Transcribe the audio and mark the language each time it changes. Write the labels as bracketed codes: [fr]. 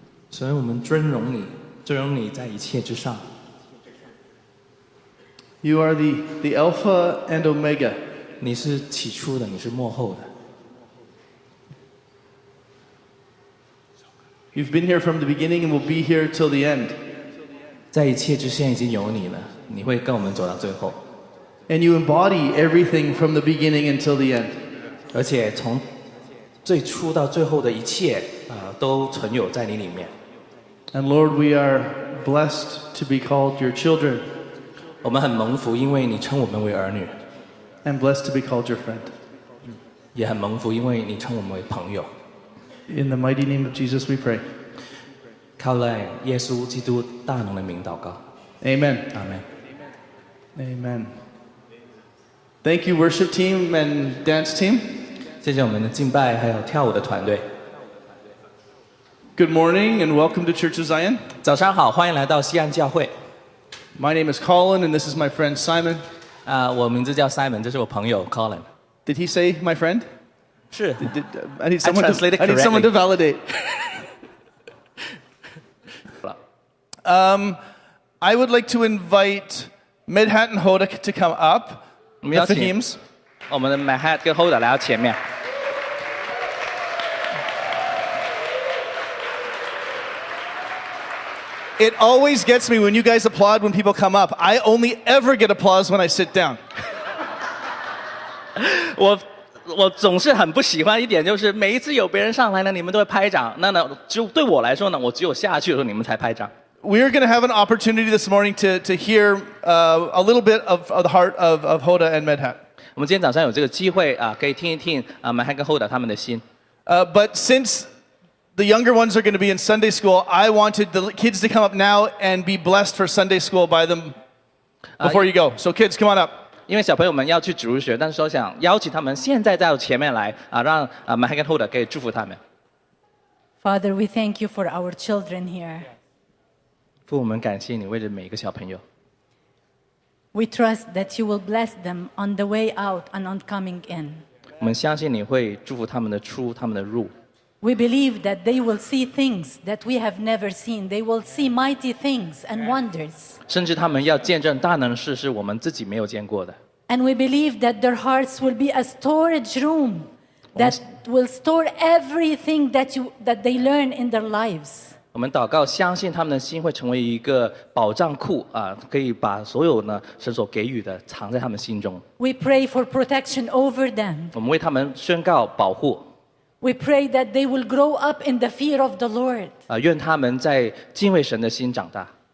[zh] 所以我们尊荣你，尊荣你在一切之上。 [en] You are the Alpha and Omega. [zh] 你是起初的，你是末后的。 [en] You've been here from the beginning and will be here till the end. [zh] 在一切之前已经有你了，你会跟我们走到最后。 [en] And you embody everything from the beginning until the end. [zh] 而且从最初到最后的一切、都存有在你里面。 [en] And Lord, we are blessed to be called your children. [zh] 我们很蒙福，因为你称我们为儿女。 [en] And blessed to be called your friend. [zh] 也很蒙福，因为你称我们为朋友。 [en] In the mighty name of Jesus, we pray. [zh] 靠赖耶稣基督大能的名祷告。 [en] Amen. Amen. Amen. Thank you, worship team and dance team. [zh] 谢谢我们的敬拜还有跳舞的团队。 [en] Good morning and welcome to Church of Zion. [zh] 早上好，欢迎来到西安教会。 [en] My name is Colin and this is my friend Simon. [zh] 我名字叫 Simon, 这是我朋友 Colin. [en] Did he say my friend? [zh] 是。 [en] I need someone to validate. I would like to invite Medhat and Hoda to come up. [zh] 我们的 Medhat 跟 Hoda 来到前面。 [en] It always gets me when you guys applaud when people come up. I only ever get applause when I sit down. [zh] 我总是很不喜欢一点，就是每一次有别人上来呢，你们都会拍掌。那呢，就对我来说呢，我只有下去的时候你们才拍掌。 [en] We're going to have an opportunity this morning to hear a little bit of the heart of Hoda and Medhat. [zh] 我们今天早上有这个机会啊，可以听一听啊 ，Medhat 跟 Hoda 他们的心。 [en] But since the younger ones are going to be in Sunday school, I wanted the kids to come up now and be blessed for Sunday school by them before you go. So kids, come on up. [zh] 因为小朋友们要去主日学，但是我想邀请他们现在到前面来啊，让啊 Medhat 跟 Hoda 可以祝福他们。 [en] Father, we thank you for our children here. [zh] 父我们感谢你为着每一个小朋友。 [en] We trust that you will bless them on the way out and on coming in. [zh] 我们相信你会祝福他们的出，他们的入。 [en] We believe that they will see things that we have never seen. They will see mighty things and wonders. [zh] 甚至他们要见证大能事，是我们自己没有见过的。 [en] And we believe that their hearts will be a storage room that will store everything that they learn in their lives. [zh] 我们祷告，相信他们的心会成为一个宝藏库啊，可以把所有呢神所给予的藏在他们心中。 [en] We pray for protection over them. [zh] 我们为他们宣告保护。 [en] We pray that they will grow up in the fear of the Lord. [zh] 愿他们在敬畏神的心长大。